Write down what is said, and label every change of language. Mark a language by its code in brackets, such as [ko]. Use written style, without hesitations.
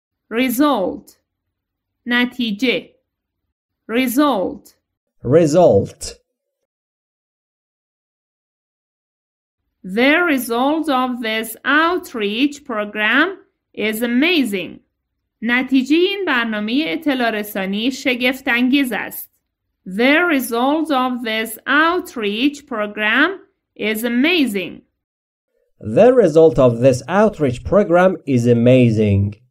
[en] Result. نتیجه. Result. Result. The result of this outreach program is amazing. [fa] نتیجه این برنامه اطلاع رسانی شگفت انگیز است. [en] The result of this outreach program is amazing. The result of this outreach program is amazing.